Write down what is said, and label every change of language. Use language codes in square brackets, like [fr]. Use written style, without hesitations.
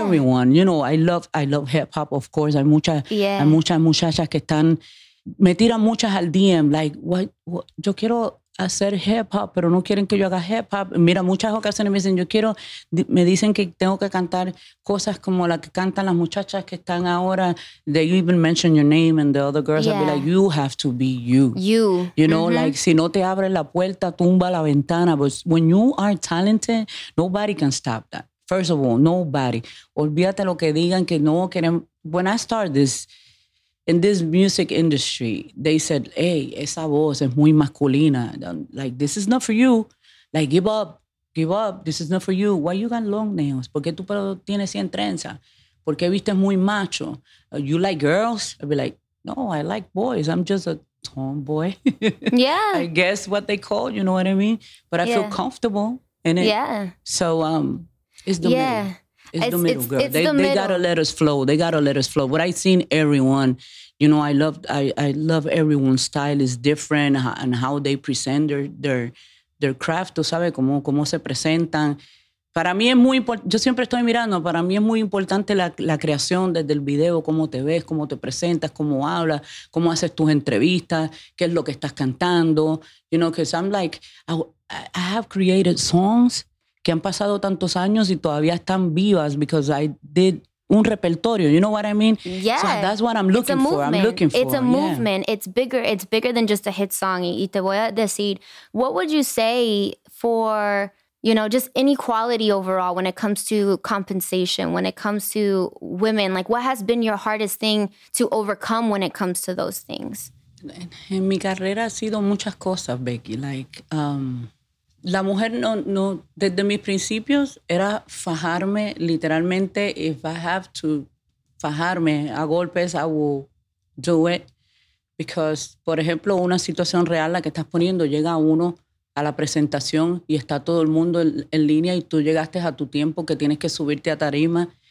[en] everyone, you know, I love hip hop, of course. [es] Hay muchas, [en] yeah. [es] hay muchas muchachas que están, me tiran muchas al DM, [en] like, what? [es] Yo quiero hacer hip hop, pero no quieren que yo haga hip hop. Mira, muchas ocasiones me dicen, me dicen que tengo que cantar cosas como la que cantan las muchachas que están ahora. [en] They even mention your name and the other girls. Yeah. I'll be like, you have to be you. You. You know, mm-hmm. like, [es] si no te abres la puerta, tumba la ventana. [en] But when you are talented, nobody can stop that. First of all, nobody. [es] Olvídate lo que digan que no quieren. [en] When I started this, in this music industry, they said, hey, [es] esa voz es muy masculina. [en] Like, this is not for you. Like, give up. This is not for you. Why you got long nails? [es] ¿Por qué tu pelo tiene 100 trenzas? ¿Por qué viste muy macho? [en] You like girls? I'd be like, no, I like boys. I'm just a tomboy. Yeah. I guess what they call, you know what I mean? But I yeah. feel comfortable in it. Yeah. So, it's the yeah. middle. It's the middle, it's, girl. It's they middle. Gotta let us flow. They gotta let us flow. But I seen everyone. You know, I love everyone's style is different and how they present their craft. [es] Tú sabes cómo se presentan. Para mí es muy importante. Yo siempre estoy mirando. Para mí es muy importante la creación desde el video. Cómo te ves, cómo te presentas, cómo hablas, cómo haces tus entrevistas, qué es lo que estás cantando. [en] You know, because I'm like, I have created songs [es] que han pasado tantos años y todavía están vivas [en] because I did [es] un repertorio. [en] You know what I mean? Yeah. So that's what I'm looking for. I'm looking for. It's a movement. Yeah. It's bigger. It's bigger than just a hit song. [es] Y te voy a decir, [en] what would you say for, you know, just inequality overall when it comes to compensation, when it comes to women? Like, what has been your hardest thing to overcome when it comes to those things? [es] En mi carrera ha sido muchas cosas, Becky. Like, la mujer no desde mis principios era fajarme literalmente. [en] If I have to [es] fajarme a golpes, [en] I will do it. [es] Because, por ejemplo, una situación real, la que estás poniendo, llega uno a la presentación y está todo el mundo en línea y tú llegaste a tu tiempo que tienes que subirte a tarima.